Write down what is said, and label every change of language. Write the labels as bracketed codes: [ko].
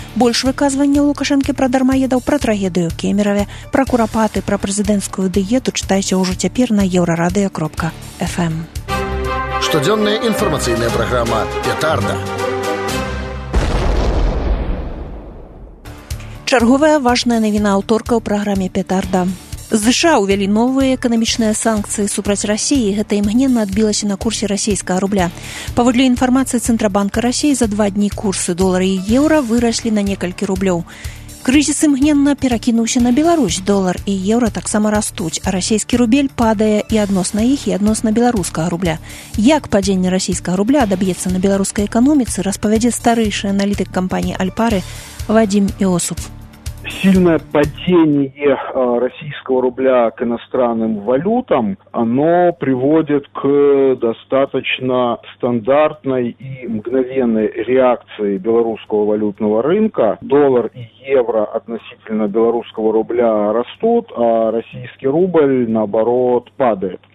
[ru] Больше выказывания у Лукашенко про дармоедов, про трагедию Кемерове, про куропаты, про президентскую диету читайте уже теперь на euroradio.fm. Штодзённая информационная программа «Петарда». Черговая важная новина авторка у программе «Петарда». [be] США ўвялі новыя эканамічныя санкцыі супраць Расіі, гэта імгненна адбілася на курсе расійскага рубля. Паводле інфармацыі Цэнтрабанка Расіі, за два дні курсы долара і еўра выраслі на некалькі рублёў. Крызіс імгненна перакінуўся на Беларусь. Долар і еўра таксама растуць, а расійскі рубель падае і адносна іх, і адносна беларускага рубля. Як падзенне расійскага рубля адаб'ецца на беларускай эканоміцы, распавядзе старэйшы аналітык кампаніі Альпары Вадзім Іосуф. [ru] Сильное падение российского рубля к иностранным валютам, оно приводит к достаточно стандартной и мгновенной реакции белорусского валютного рынка. Доллар и евро относительно белорусского рубля растут, а российский рубль, наоборот, падает.